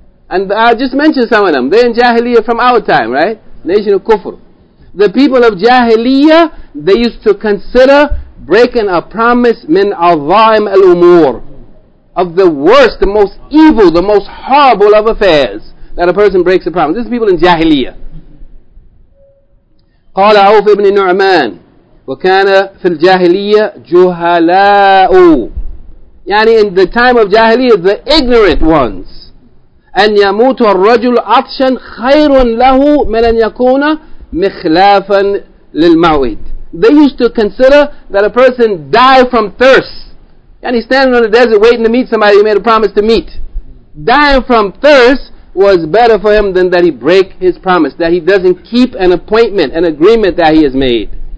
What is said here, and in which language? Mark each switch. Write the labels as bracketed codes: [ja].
[en] And I'll just mention some of them. They're in jahiliyyah from our time, right? Nation of kufr. The people of jahiliyyah, they used to consider breaking a promise [ar] min al-zaim al-umur. [en] Of the worst, the most evil, the most horrible of affairs that a person breaks a promise. This is people in Jahiliyyah. [ar] قال عوف ابن نعمان وكان في الجاهلية جهلاء يعني [en] in the time of Jahiliyyah, the ignorant ones. [ar] أن يموت الرجل عطشا خير له من أن يكون مخلافا للموعد. [en] They used to consider that a person die from thirst. And he's standing on the desert waiting to meet somebody he made a promise to meet. dying from thirst was better for him than that he break his promise, that he doesn't keep an appointment, an agreement that he has made.